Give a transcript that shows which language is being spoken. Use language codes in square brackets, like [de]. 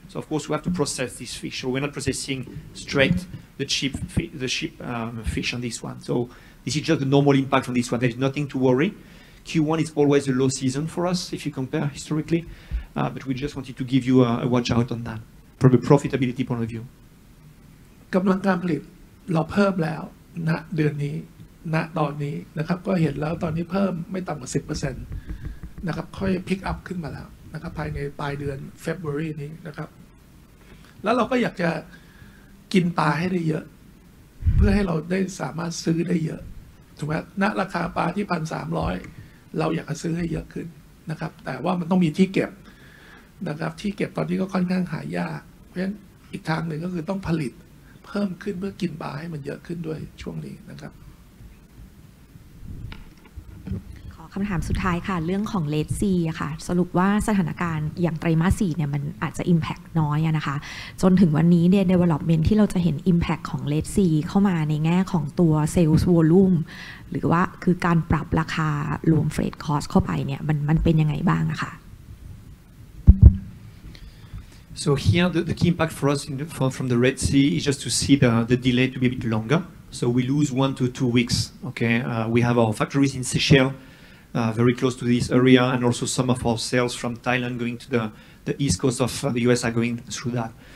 [en] So of course we have to process this fish. So we're not processing straight the cheap fish on this one. So this is just the normal impact on this one. There's nothing to worry. Q1 is always a low season for us, if you compare historically. But we just wanted to give you a watch out on that, from a profitability point of view. [th] กำลังการผลิตเราเพิ่มแล้วณเดือนนี้ณตอนนี้นะครับก็เห็นแล้วตอนนี้เพิ่มไม่ต่ำกว่า 10% นะครับค่อย pick up ขึ้นมาแล้วนะครับภายในปลายเดือน February นี้นะครับ แล้วเราก็อยากจะกินปลาให้ได้เยอะเพื่อให้เราได้สามารถซื้อได้เยอะถูกไหมณราคาปลาที่ 1,300เราอยากจะซื้อให้เยอะขึ้นนะครับแต่ว่ามันต้องมีที่เก็บนะครับที่เก็บตอนนี้ก็ค่อนข้างหายากเพราะฉะนั้นอีกทางหนึ่งก็คือต้องผลิตเพิ่มขึ้นเพื่อกินปลาให้มันเยอะขึ้นด้วยช่วงนี้นะครับ ขอคำถามสุดท้ายค่ะเรื่องของเลดซีค่ะสรุปว่าสถานการณ์อย่างไตรมาส4เนี่ยมันอาจจะ impact น้อยนะคะจนถึงวันนี้เนี่ย development ที่เราจะเห็น impact ของเลดซีเข้ามาในแง่ของตัว sales volumeหรือว่าคือการปรับราคารวมเฟรทคอสเข้าไปเนี่ยมันเป็นยังไงบ้างอะคะ [en] So here the key impact for us from the Red Sea is just to see the delay to be a bit longer. So we lose 1 to 2 weeks. Okay, we have our factories in Seychelles, very close to this area, and also some of our sales from Thailand going to the east coast of the US are going through that.